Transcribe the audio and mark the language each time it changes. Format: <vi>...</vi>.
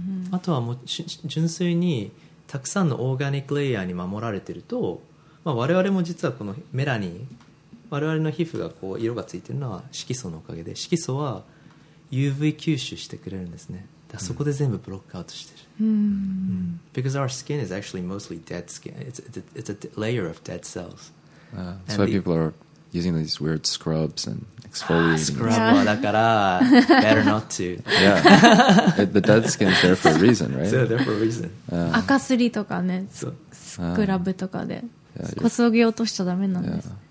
<ja>あとは純粋にたくさんのオーガニックレイヤーに守られてると、まあ我々も実はこのメラニン、 我々の皮膚がこう色がついてるのは色素のおかげで、色素はUV吸収してくれるんですね。だからそこで全部ブロックアウトしてる。</ja> <en>Because our skin is actually mostly dead skin. It's a layer of dead cells. So people are using these weird scrubs and exfoliating. だから better not to. Yeah. The dead skin is there for a reason, right? So there for a reason.</en> <ja>赤すりとかね、スクラブとかでこそぎ落としちゃダメなんです。</ja>